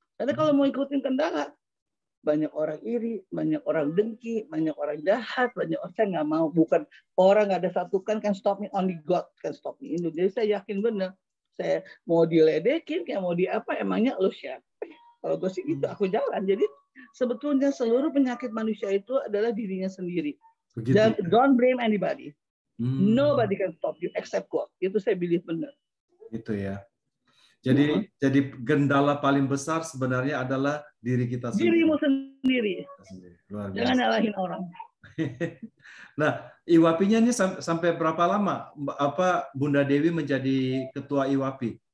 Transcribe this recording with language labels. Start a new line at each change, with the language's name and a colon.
Indonesian: Karena kalau mau ikutin kendala, banyak orang iri, banyak orang dengki, banyak orang jahat, banyak orang, saya nggak mau, bukan orang ada satu kan
English: can stop me, only God can stop me.
Indonesian: Ini jadi saya yakin benar, saya mau diledekin kayak mau di apa, emangnya lu siapa? Kalau gue sih gitu, aku jalan. Jadi sebetulnya seluruh penyakit manusia itu adalah dirinya sendiri. Begitu.
English: Dan don't blame anybody, nobody can stop you except God.
Indonesian: Itu saya believe benar. Itu ya. Jadi jadi gendala paling besar sebenarnya adalah diri kita sendiri. Dirimu sendiri. Luar biasa. Jangan nyalahin orang. Nah, IWAPI-nya ini sampai berapa lama? Apa Bunda Dewi menjadi ketua IWAPI?